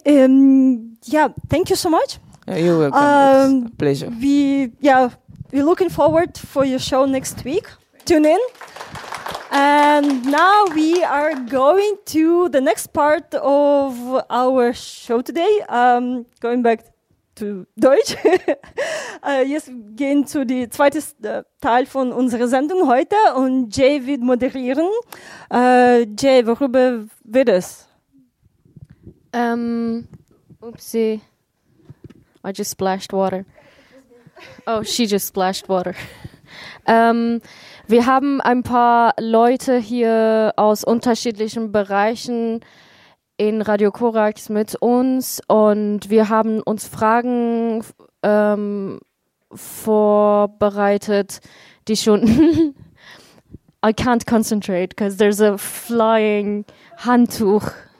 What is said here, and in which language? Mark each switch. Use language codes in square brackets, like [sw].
[en] Thank you so much. You're welcome. It's a pleasure. We're looking forward for your show next week. Tune in. And now we are going to the next part of our show today. Going back to Deutsch. [de] Jetzt gehen zu die zweite Teil von unserer Sendung heute und Jay wird moderieren. Jay, worüber wird es? [en] Oopsie. I just splashed water. Oh, she just splashed water. [de] Wir haben ein paar Leute hier aus unterschiedlichen Bereichen in Radio Korax mit uns und wir haben uns Fragen vorbereitet, die schon... [en] I can't concentrate, because there's a flying Handtuch.